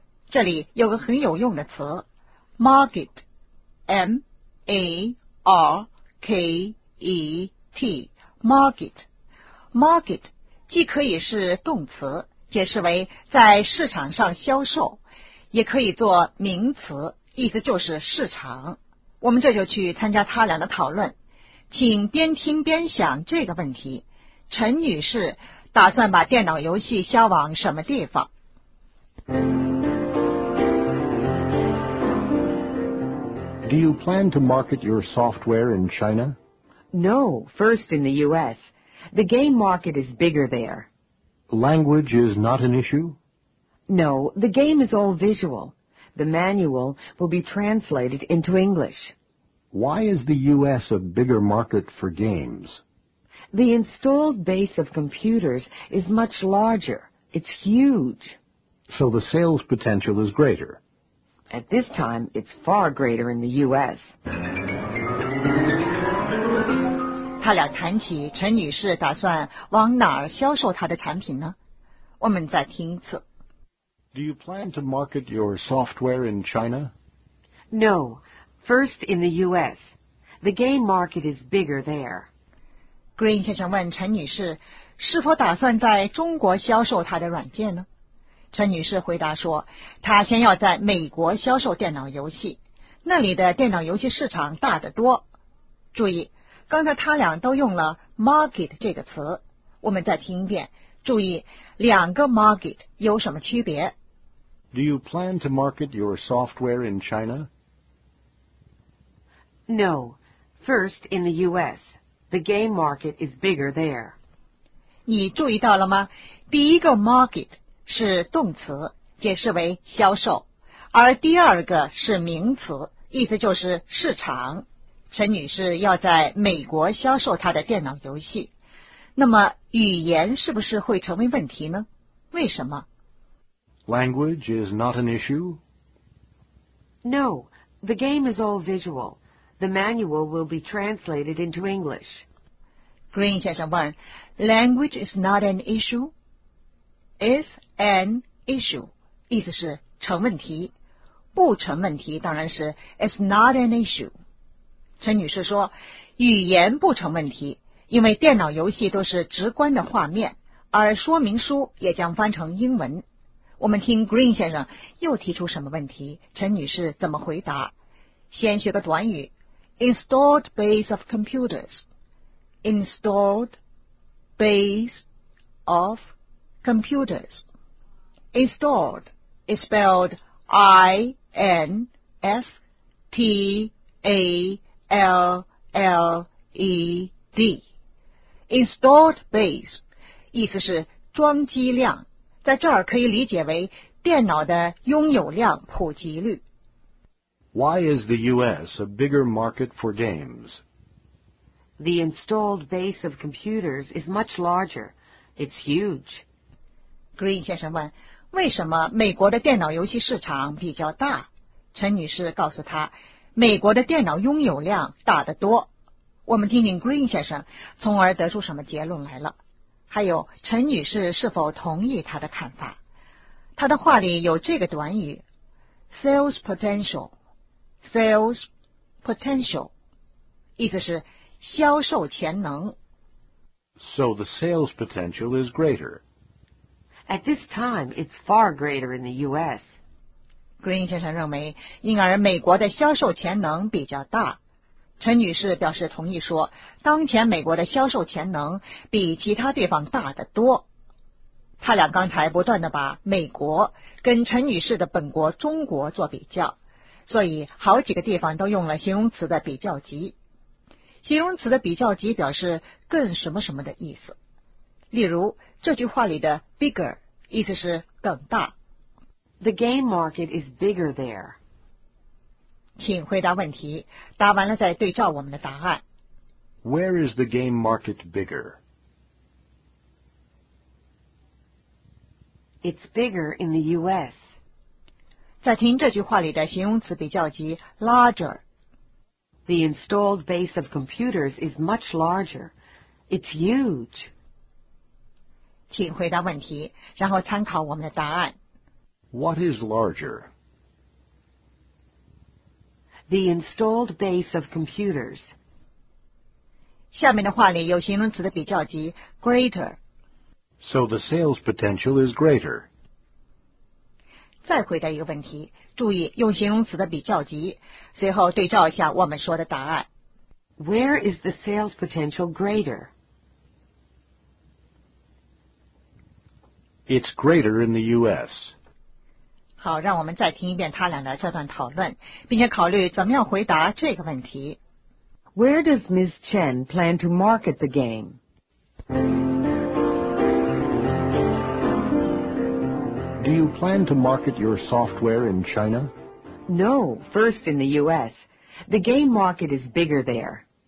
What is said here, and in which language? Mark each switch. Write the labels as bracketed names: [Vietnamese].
[Chinese] 这里有个很有用的词 Market M-A-R-K-E-T Market Market 既可以是动词解释为在市场上销售，也可以做名词，意思就是市场。我们这就去参加他俩的讨论，请边听边想这个问题：陈女士打算把电脑游戏销往什么地方？ [English] Do you plan to market your software in China? No, first in the U.S. The game market is bigger there. Language is not an issue? No, the game is all visual. The manual will be translated into English. Why is the U.S. a bigger market for games? The installed base of computers is much larger. It's huge. So the sales potential is greater. At this time, it's far greater in the U.S. [Chinese] 他俩谈起陈女士打算往哪儿销售她的产品呢？我们再听一次。 [English] Do you plan to market your software in China? No, first in the U.S. The game market is bigger there. [Chinese] Green 先生问陈女士是否打算在中国销售她的软件呢？陈女士回答说，她先要在美国销售电脑游戏，那里的电脑游戏市场大得多。注意，刚才他俩都用了 market 这个词，我们再听一遍，注意两个 market 有什么区别。 [English] Do you plan to market your software in China? No, first in the U.S. The game market is bigger there. [Chinese] 你注意到了吗？第一个 market是动词，解释为销售，而第二个是名词，意思就是市场。陈女士要在美国销售她的电脑游戏，那么语言是不是会成为问题呢？为什么？ [English] Language is not an issue? No, the game is all visual. The manual will be translated into English. [Chinese] Green 先生问， [English] Language is not an issue? [Chinese] Is an issue 意思是成问题，不成问题当然是 [English] It's not an issue。 [Chinese] 陈女士说语言不成问题，因为电脑游戏都是直观的画面，而说明书也将翻成英文。我们听 Green 先生又提出什么问题，陈女士怎么回答。先学个短语 [English] Installed base of computers Installed base ofComputers. Installed is spelled I-N-S-T-A-L-L-E-D. [Chinese] Installed base, 意思是装机量，在这儿可以理解为电脑的拥有量普及率。 [English] Why is the U.S. a bigger market for games? The installed base of computers is much larger. It's huge. [Chinese] Green 先生问，为什么美国的电脑游戏市场比较大？陈女士告诉他，美国的电脑拥有量大得多。我们听听 Green 先生从而得出什么结论来了，还有陈女士是否同意他的看法。他的话里有这个短语 Sales potential Sales potential 意思是销售潜能。 [English] So the sales potential is greater. At this time, it's far greater in the U.S. [Chinese] Green 先生认为，因而美国的销售潜能比较大。陈女士表示同意说，当前美国的销售潜能比其他地方大得多。他俩刚才不断地把美国跟陈女士的本国中国做比较，所以好几个地方都用了形容词的比较级。形容词的比较级表示更什么什么的意思。例如，这句话里的 bigger 意思是更大。 The game market is bigger there. 请回答问题，答完了再对照我们的答案。 [English] Where is the game market bigger? It's bigger in the U.S. [Chinese] 再听这句话里的形容词比较级 larger. [English] The installed base of computers is much larger. It's huge. [Chinese] 请回答问题，然后参考我们的答案。 [English] What is larger? The installed base of computers. [Chinese] 下面的话里有形容词的比较级 greater. [English] So the sales potential is greater. [Chinese] 再回答一个问题，注意用形容词的比较级，随后对照一下我们说的答案。 [English] Where is the sales potential greater? It's greater in the U.S. [Chinese] 好，让我们再听一遍他俩的这段讨论，并且考虑怎么样回答这个问题。 [English] Where does Ms. Chen plan to market the game? Do you plan to market your software in China? No, first in the U.S. The game market is bigger there.